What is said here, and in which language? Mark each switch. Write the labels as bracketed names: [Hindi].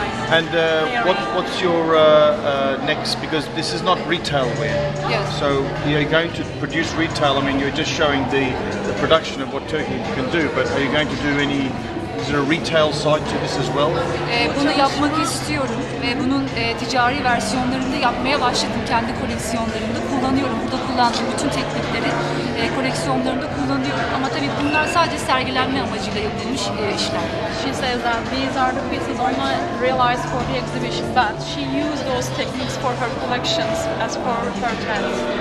[English] And what's your next, because this is not retail wear. Yes. So you're going to produce retail, I mean you're just showing the production of what Turkey can do, but are you going to do any, is there a retail side to this as well? [Turkish] Bunu yapmak istiyorum ve bunun ticari versiyonlarını yapmaya başladım kendi koleksiyonlarımda. Kullanıyorum, burada kullandığım bütün teknikleri koleksiyonlarımda kullanıyorum. Ama tabii bunlar sadece sergilenme amacıyla yapılmış işler. [English] She says that these are the pieces only realized for the exhibition, but she used those techniques for her collections as for her trends.